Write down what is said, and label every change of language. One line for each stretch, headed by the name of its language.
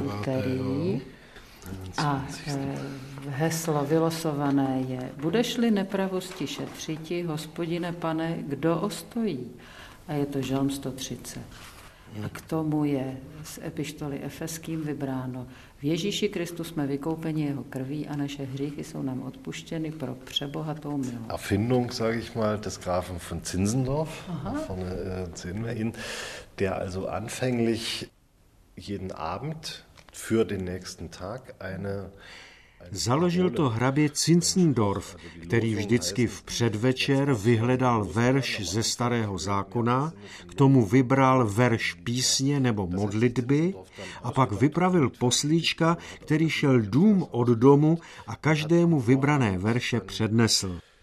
Czech: úterý. A heslo vylosované je: budeš-li nepravosti šetřiti, Hospodine Pane, kdo ostojí? A je to žalm 130. A k tomu je z epištoly Efeským vybráno: v Ježíši Kristu jsme vykoupeni jeho krví a naše hříchy jsou nám odpuštěny pro přebohatou milost.
German: Erfindung, sage ich mal, des Grafen von Zinzendorf, von Zinmein, der also anfänglich jeden Abend für den nächsten Tag eine
Czech: Založil to hrabě Zinzendorf, který vždycky v předvečer vyhledal verš ze Starého zákona, k tomu vybral verš písně nebo modlitby a pak vypravil poslíčka, který šel dům od domu a každému vybrané verše přednesl.